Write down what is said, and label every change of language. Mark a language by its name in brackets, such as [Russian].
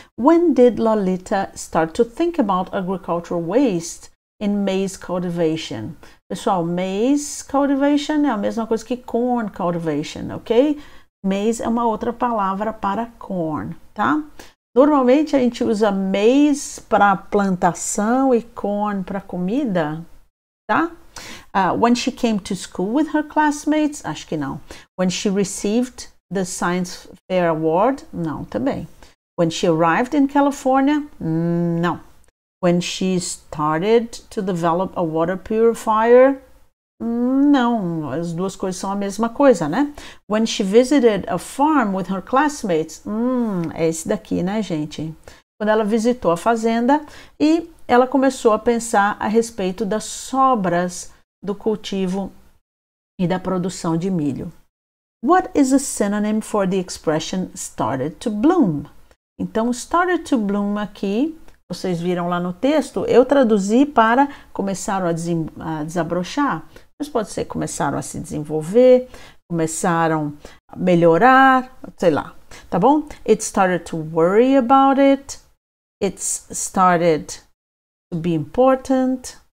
[English] When did Lalita start to think about agricultural waste in maize cultivation? [Portuguese] Pessoal, maize cultivation é a mesma coisa que corn cultivation, ok? Maize é uma outra palavra para corn, tá? Normalmente a gente usa maize para plantação e corn para comida, tá? [English] When she came to school with her classmates, [Portuguese] acho que não. [English] When she received the Science Fair Award, [Portuguese] não, também. [English] When she arrived in California, não. When she started to develop a water purifier, não. [Portuguese] As duas coisas são a mesma coisa, né? [English] When she visited a farm with her classmates, [Portuguese] é esse daqui, né, gente? Quando ela visitou a fazenda e ela começou a pensar a respeito das sobras do cultivo e da produção de milho. [English] What is a synonym for the expression started to bloom? [Portuguese] Então, started to bloom aqui, vocês viram lá no texto, eu traduzi para começaram a desabrochar. Mas pode ser começaram a se desenvolver, começaram a melhorar, sei lá, tá bom? [English] It started to worry about it. It started to be important.